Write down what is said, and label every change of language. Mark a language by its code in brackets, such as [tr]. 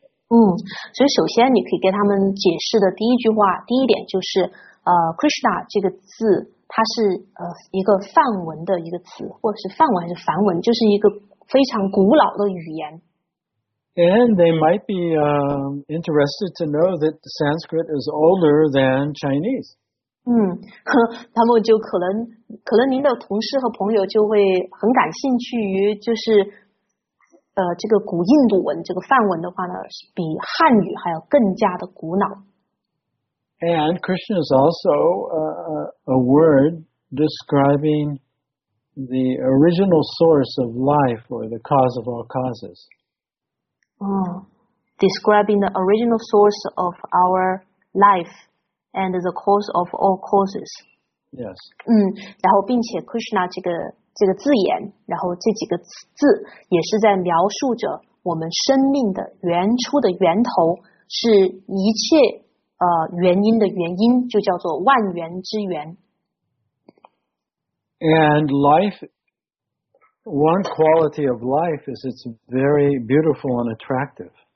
[zh] 所以首先你可以给他们解释的第一句话，第一点就是Krishna 这个字它是一个梵文的一个词，或者是梵文还是梵文，就是一个非常古老的语言。 [en] And they might be interested to know that Sanskrit is older than Chinese. [zh] 他们就可能您的同事和朋友就会很感兴趣于就是这个古印度文这个梵文的话呢比汉语还要更加的古老。 [en] And Krishna is also a word describing the original source of life or the cause of all causes. Describing the original source of our life. And the cause of all causes. Yes. [zh] 然后并且 Krishna 这个字眼，然后这几个字也是在描述着我们生命的原初的源头，是一切原因的原因，就叫做万源之源。 [en] And life, one quality of life is it's very beautiful and attractive.